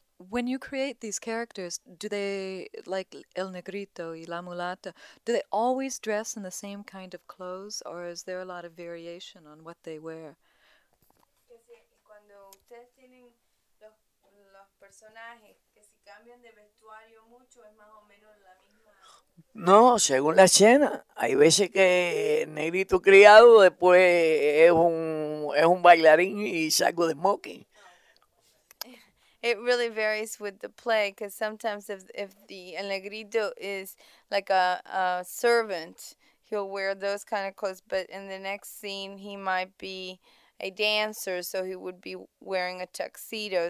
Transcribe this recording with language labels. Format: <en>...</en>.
<en>When you create these characters, do they, like El Negrito y La Mulata, do they always dress in the same kind of clothes, or is there a lot of variation on what they wear?</en> <es>Que si cuando ustedes tienen los personajes, que si cambian de vestuario mucho, es más o menos la misma. No, según la escena. Hay veces que Negrito criado después es un bailarín y saco de smoking.</es> <en>It really varies with the play, because sometimes if the El Negrito is like a servant, he'll wear those kind of clothes. But in the next scene, he might be a dancer, so he would be wearing a tuxedo.</en>